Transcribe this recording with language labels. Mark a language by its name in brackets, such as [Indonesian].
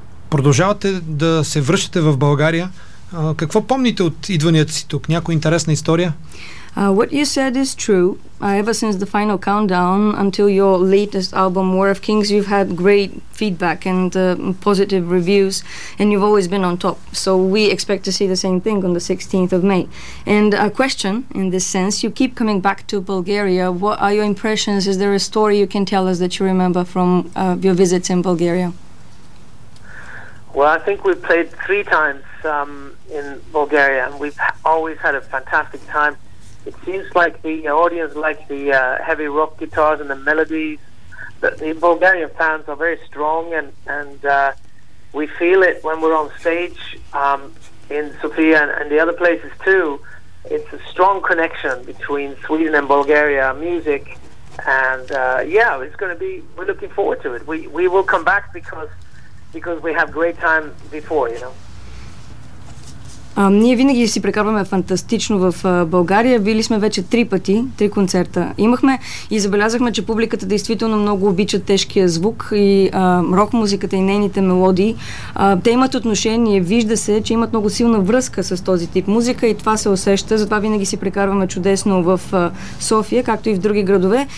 [Bulgarian] Продължавате да се връщате в България. Какво помните от идванията си тук? Някоя интересна история? [English] What you said is true. Ever since the final countdown until your latest album War of Kings, you've had great feedback and positive reviews and you've always been on top. So we expect to see the same thing on the 16th of May. And a question in this sense, you keep coming back to Bulgaria. What are your impressions? Is there a story you can tell us that you remember from your visits in Bulgaria? Well, I think we've played 3 times in Bulgaria and we've always had a fantastic time. It seems like the audience like the heavy rock guitars and the melodies. The Bulgarian fans are very strong and we feel it when we're on stage in Sofia and the other places too. It's a strong connection between Sweden and Bulgaria, music And yeah, it's going to be, we're looking forward to it. We will come back because we have great time before, you know. [Bulgarian] Ние винаги си прекарваме фантастично в България. Били сме вече три концерта имахме и забелязахме, че публиката действително много обича тежкия звук и рок музиката и нейните мелодии. Те имат отношение, вижда се, че имат много силна връзка с този тип музика и това се усеща, затова винаги си прекарваме чудесно в София, както и в други градове.